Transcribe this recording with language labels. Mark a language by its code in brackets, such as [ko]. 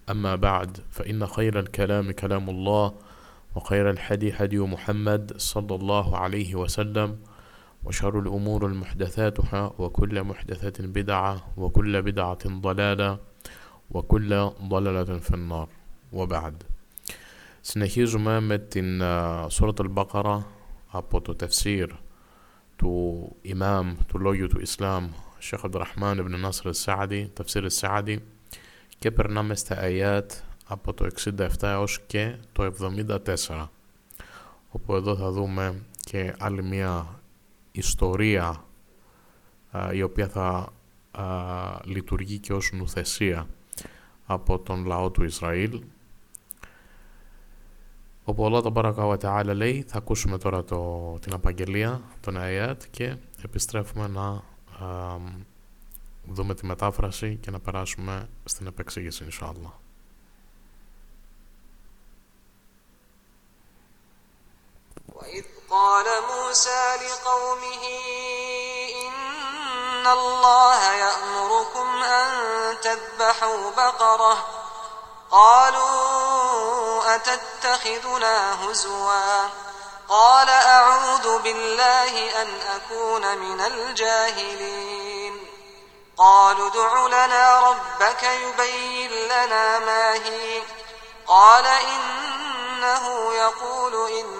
[ar] أما بعد، فإن خير الكلام كلام الله، وخير الحدي هدي محمد صلى الله عليه وسلم، وشر الأمور محدثاتها، وكل محدثة بدعة، وكل بدعة ضلالة، وكل ضلالة في النار. وبعد، [el] συνεχίζουμε με την سورة البقرة από το تفسير του إمام του Λόγιου του Ισλάμ الشيخ عبد الرحمن بن ناصر السعدي تفسير السعدي και περνάμε στα آيات από το 67 έως και το 74, όπου εδώ θα δούμε και άλλη μια ιστορία η οποία θα λειτουργεί και ως νουθεσία από τον λαό του Ισραήλ. Όπου Αλλάχ ταμπάρακα ουα τεάλα λέει, θα ακούσουμε τώρα την απαγγελία των ΑΕΑΤ και επιστρέφουμε να δούμε τη μετάφραση και να περάσουμε στην επεξήγηση Ινσάλλαχ. [ar] وَإِذْ قَالَ مُوسَى لِقَوْمِهِ إِنَّ اللَّهَ يَأْمُرُكُمْ أَن تَذْبَحُوا بَقَرَةً قَالُوا أَتَتَّخِذُنَا هُزُوًا قَالَ أَعُوذُ بِاللَّهِ أَنْ أَكُونَ مِنَ الْجَاهِلِينَ قَالُوا ادْعُ لَنَا رَبَّكَ يُبَيِّنْ لَنَا مَا هِيَ قَالَ إِنَّهُ يَقُولُ